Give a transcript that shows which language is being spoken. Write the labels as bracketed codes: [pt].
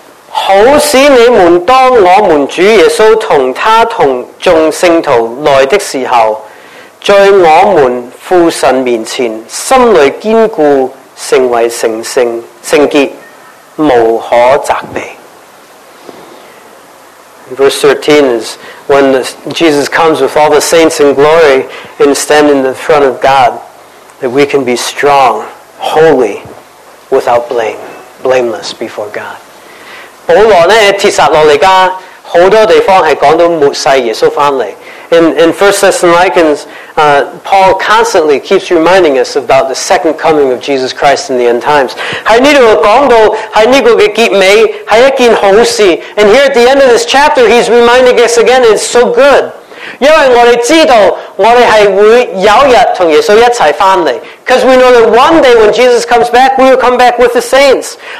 [zh] 好使你们当我们主耶稣同他同众圣徒来的时候, 在我们父神面前,心里坚固, 成为圣洁, 无可责备。 [en] Verse 13 is when Jesus comes with all the saints in glory and stand in the front of God, that we can be strong, holy, without blame, blameless before God. [zh] 保罗呢,帖撒罗尼迦, 很多地方是讲到末世耶稣回来。 [en] In 1 Thessalonians, Paul constantly keeps reminding us about the second coming of Jesus Christ in the end times. [zh] 在这里讲到,在这个结尾,是一件好事, [en] and here at the end of this chapter, he's reminding us again, it's so good. [zh] 因为我们知道,我们是会有一天和耶稣一起回来, [en] because we know that one day when Jesus comes back, we will come back with the saints.